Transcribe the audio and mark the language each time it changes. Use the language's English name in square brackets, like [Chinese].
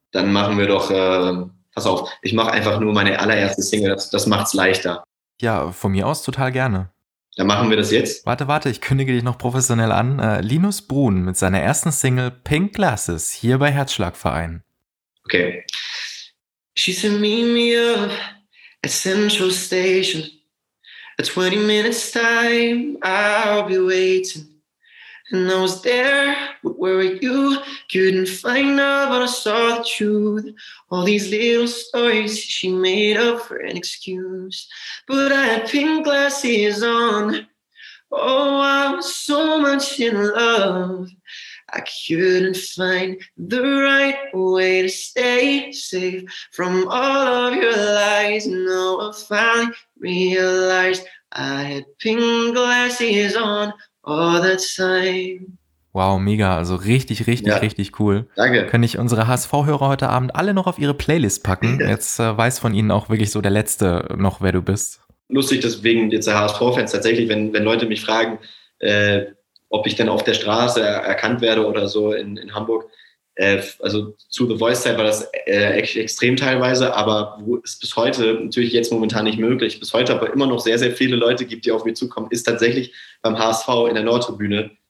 [German] Dann machen wir doch, pass auf, ich mache einfach nur meine allererste Single, das macht's leichter. Ja, von mir aus total gerne. Dann machen wir das jetzt. Warte, ich kündige dich noch professionell an. Linus Brun mit seiner ersten Single Pink Glasses hier bei Herzschlagverein. Okay. [English] She's a meme at Central Station. A 20 minutes time, I'll be waiting. And I was there, but where were you? Couldn't find out, but I saw the truth. All these little stories she made up for an excuse. But I had pink glasses on. Oh, I was so much in love. I couldn't find the right way to stay safe from all of your lies. No, I finally realized I had pink glasses on. All that time. [German] Wow, mega, also richtig, richtig, ja. Richtig cool. Danke. Können ich unsere HSV-Hörer heute Abend alle noch auf ihre Playlist packen? Ja. Jetzt weiß von ihnen auch wirklich so der Letzte noch, wer du bist. Lustig, deswegen jetzt der HSV-Fans tatsächlich, wenn Leute mich fragen, ob ich denn auf der Straße erkannt werde oder so in Hamburg, also zu The Voice-Zeit war das extrem teilweise, aber wo es bis heute natürlich jetzt momentan nicht möglich, bis heute aber immer noch sehr, sehr viele Leute gibt, die auf mich zukommen, ist tatsächlich beim HSV in der Nordtribüne.